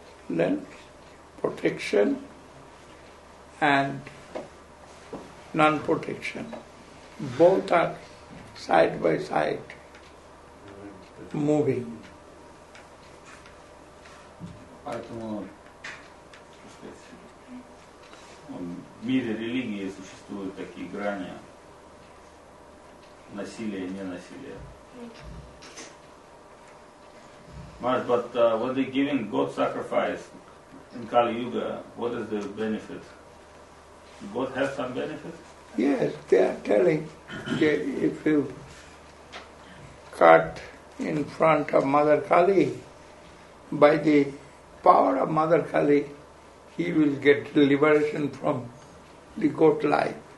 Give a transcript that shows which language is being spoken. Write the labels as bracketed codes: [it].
[en] Then protection and non-protection, both are side by side moving. [ru] Поэтому в мире религии существуют такие грани насилия и ненасилия. [en] But when they giving God sacrifice in Kali Yuga, what is the benefit? God has some benefit? Yes, they are telling that if you cut in front of Mother Kali, by the power of Mother Kali, he will get liberation from the goat life.